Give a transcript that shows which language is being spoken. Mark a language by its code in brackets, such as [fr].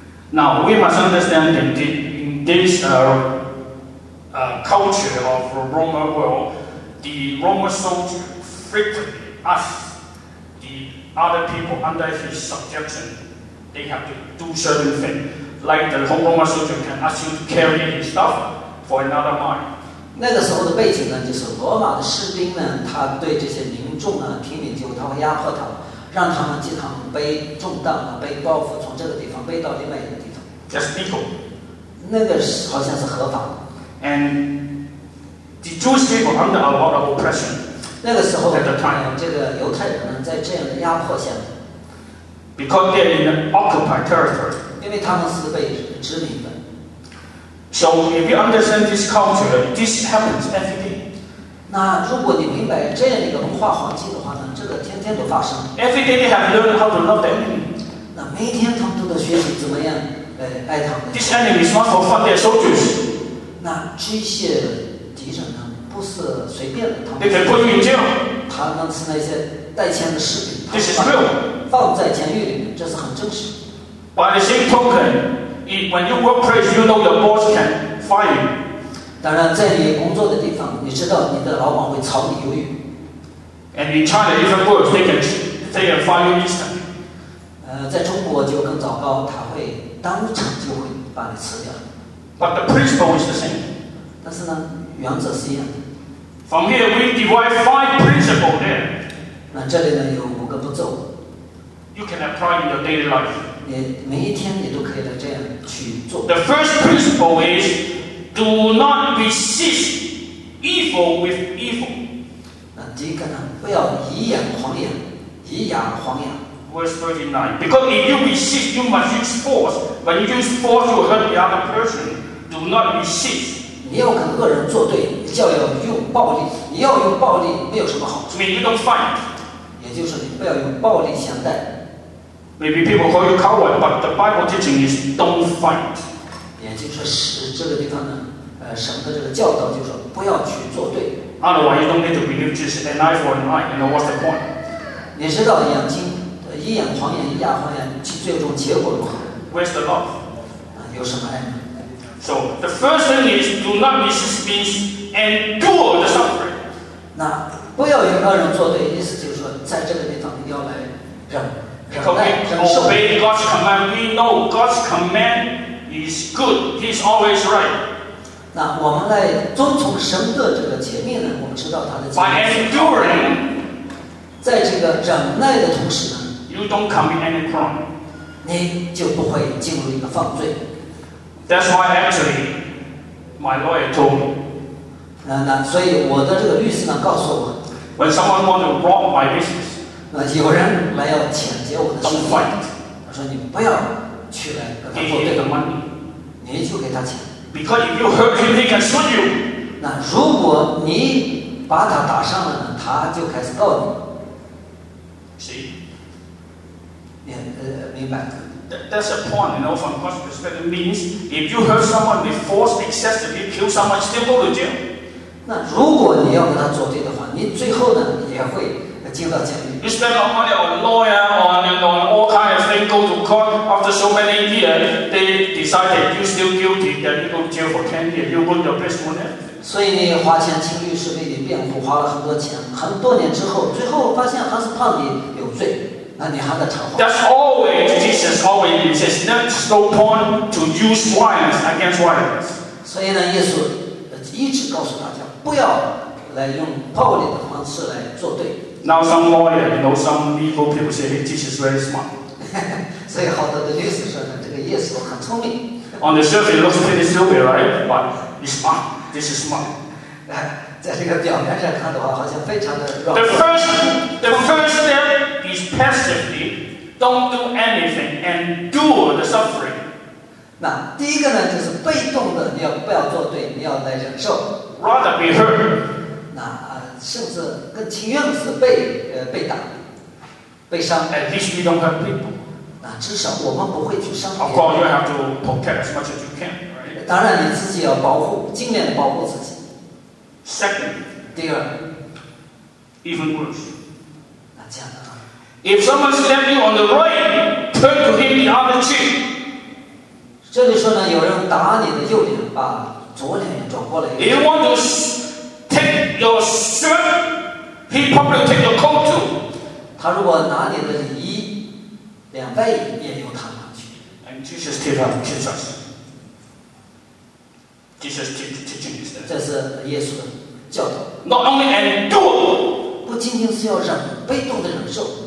[en] Now we must understand that in this culture of Roman world, the Roman soldier frequently asked the other people under his subjection. They have to do certain things. Like the Roman soldier can ask you to carry his stuff for another mile. [zh] 那个时候的背景呢，就是罗马的士兵呢，他对这些民众呢，平民就他会压迫他们，让他们经常背重担啊，背包袱从这个地方背到另外一个地方。 [en] That's legal. [zh] 那个是好像是合法的。 [en] And the Jewish people under a lot of oppression. [zh] 那个时候 [en] at the time, [zh] 这个犹太人呢，在这样的压迫下面。 [en] Because they're in an occupied territory. [zh] 因为他们是被殖民的。 [en] So if you understand this culture, this happens every day. [zh] 那如果你明白这样一个文化环境的话呢，这个天天都发生。 [en] Every day they have learned how to love the enemy. [zh] 那每天他们都在学习怎么样爱他们。 [en] This enemy is not for fun, they're soldiers. [zh] 那这些敌人呢，不是随便的。 [en] They can put you in jail. [zh] 他们是那些带枪的士兵。 [en] This is real. [zh] 放在监狱里面，这是很真实。 [en] By the same token, when you work place, you know your boss can fire you. [zh] 当然，在你工作的地方，你知道你的老板会炒你鱿鱼。 [en] And in China, even worse, they can fire you instantly. [zh] 在中国就更糟糕，他会当场就会把你辞掉。 [en] But the principle is the same. [zh] 但是呢，原则是一样的。 [en] From here, we divide five principles there. [zh] 那这里呢，有五个步骤。 [en] You can apply in your daily life. [zh] 你每一天你都可以这样去做。 [en] The first principle is, do not resist evil with evil. [zh] 那第一个呢，不要以眼还眼，以牙还牙。 [en] Verse 39. Because if you resist, you must use force. When you use force, you hurt the other person. Do not resist. [zh] 你要跟恶人作对，你就要用暴力。你要用暴力，没有什么好处。 [en] Mean you don't fight. [zh] 也就是你不要用暴力相待。 [en] Maybe people call you coward, but the Bible teaching is don't fight. [zh] 也就是这个地方呢，神的这个教导就是不要去作对。 [en] Otherwise, you don't need to believe Jesus. An eye for an eye, you know what's the point? [zh] 你知道眼睛一眼还眼，一牙还牙，最终结果如何 [en] ？Where's the love? [zh] 有什么爱呢 [en] ？So the first thing is do not resist means endure the suffering. [zh] 那不要与恶人作对，意思就是说，在这个地方要来忍。 [en] Because we obey God's command, we know God's command is good. He's always right. [zh] 那我们来遵从神的这个诫命呢？我们知道他的诫命。 [en] By enduring, [zh] 在这个忍耐的同时呢 [en] ，you don't commit any crime. [zh] 你就不会进入一个犯罪。 [en] That's why actually, my lawyer told me. [zh] 那所以我的这个律师呢，告诉我 [en] When someone wants to rob my business, [zh] 有人来要抢劫我的生意，我说你不要去来跟他作对。 [en] Give the money, [zh] 你就给他钱。 [en] Because if you hurt him, he can sue you. [zh] 那如果你把他打伤了呢，他就开始告你。 [en] See? [zh] 明白。 [en] That's a point, you know, from God's perspective. It means if you hurt someone with force, excessively kill someone, still go to jail. [zh] 那如果你要跟他作对的话，你最后呢也会进到监狱。 [en] You spend all money on lawyer, on all kind of thing, go to court. After so many years, they decide that you still guilty, that you go to jail for 10 years. You ruin your best one. [zh] 所以你花钱请律师为你辩护，花了很多钱，很多年之后，最后发现还是判你有罪。 [en] That's always Jesus always says, "There's no point to use violence against violence." [zh] 所以呢，耶稣一直告诉大家不要来用暴力的方式来作对。 [en] Now some lawyer, you know, some legal people say, "Hey, Jesus is very smart." [zh] 所以好多的律师说呢，这个耶稣很聪明。 [en] On the surface, it looks pretty stupid, right? But he's smart. This is smart. [zh] 在这个表面上看的话，好像非常的弱。 [en] The first step is passively, don't do anything, endure the suffering. [zh] 那第一个呢，就是被动的，你要不要做对，你要来忍受。 [en] Rather be hurt. [zh] 那甚至更情愿是被打，被伤。 [en] At least we don't hurt people. [zh] 那至少我们不会去伤 [en] 害。Of course, you have to protect as much as you can, right? [zh] 当然，你自己要保护，尽量的保护自己。 [en] Second, [zh] 第二 [en] even worse. [zh] 那这样的话 [en] if someone slap you on the right, turn to him the other cheek. [zh] 这里说呢，有人打你的右脸，把左脸转过来。 [en] If you want to take your shirt, he probably will take your coat too. [zh] 他如果拿你的礼衣，两倍也由他拿去。 [en] And Jesus teaches us. Jesus teaching us. [zh] 这是耶稣的。 [en] Not only endure, [zh] 不仅仅是要忍，被动的忍受。